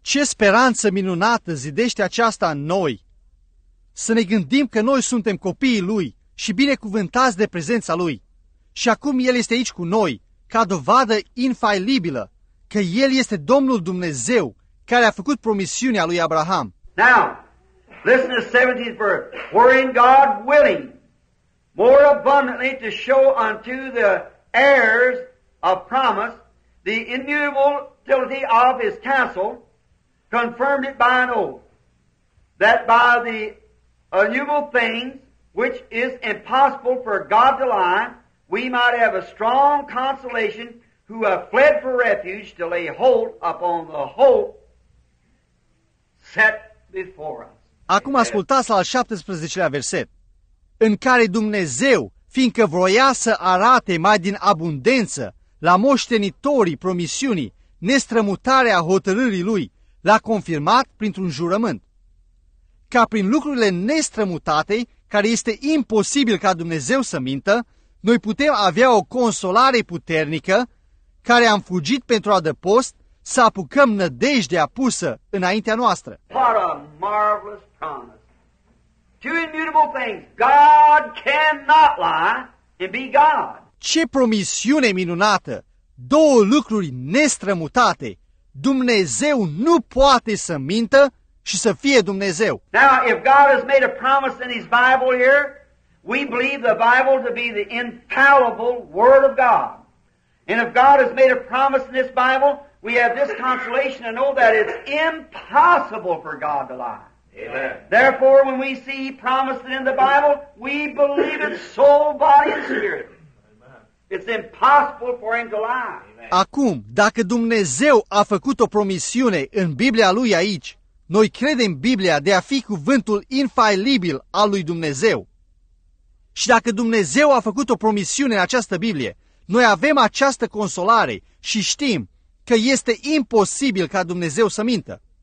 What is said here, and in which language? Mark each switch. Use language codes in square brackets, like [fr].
[ro] Ce speranță minunată zidește aceasta în noi! Să ne gândim că noi suntem copiii lui și binecuvântați de prezența lui. Și acum el este aici cu noi, ca dovadă infailibilă, că el este Domnul Dumnezeu care a făcut promisiunea lui Abraham. [en] Now, listen to the 17th verse. Wherein God willing, more abundantly to show unto the heirs of promise the immutability of his counsel, confirmed it by an oath, that by the innumerable things which is impossible for God to lie, we might have a strong consolation who have fled for refuge to lay hold upon the hope set before us. [ro] Acum ascultați la al 17-lea verset, în care Dumnezeu, fiindcă voia să arate mai din abundență la moștenitorii promisiunii, nestrămutarea hotărârii lui, l-a confirmat printr-un jurământ. Ca prin lucrurile nestrămutate, care este imposibil ca Dumnezeu să mintă, noi putem avea o consolare puternică, care am fugit pentru adăpost, să apucăm nădejdea pusă înaintea noastră. [en] What a marvelous promise! Two immutable things. God cannot lie and be God. [ro] Ce promisiune minunată! Două lucruri nestrămutate. Dumnezeu nu poate să mintă și să fie Dumnezeu. [en] Now, if God has made a promise in his Bible here, We believe the Bible to be the infallible Word of God. And if God has made a promise in this Bible, we have this consolation to know that it's impossible for God to lie. Amen. Therefore, when we see He promised it in the Bible, we believe it soul, body, and spirit. It's impossible for Him to lie. [ro] Acum, dacă Dumnezeu a făcut o promisiune în Biblia Lui aici, noi credem Biblia de a fi cuvântul infailibil al Lui Dumnezeu. Și dacă Dumnezeu a făcut o promisiune în această Biblie, noi avem această consolare și știm că este imposibil ca Dumnezeu să mintă.